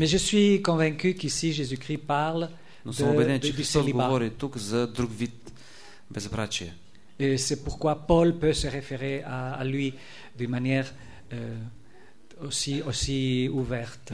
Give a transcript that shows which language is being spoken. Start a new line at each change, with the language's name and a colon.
French: Mais je suis convaincu qu'ici Jésus-Christ parle de célibat.
Bulgarian: Но съм убеден, че Христос говори тук за друг вид безбрачие.
French: Et c'est pourquoi Paul peut se référer à lui d'une manière aussi ouverte.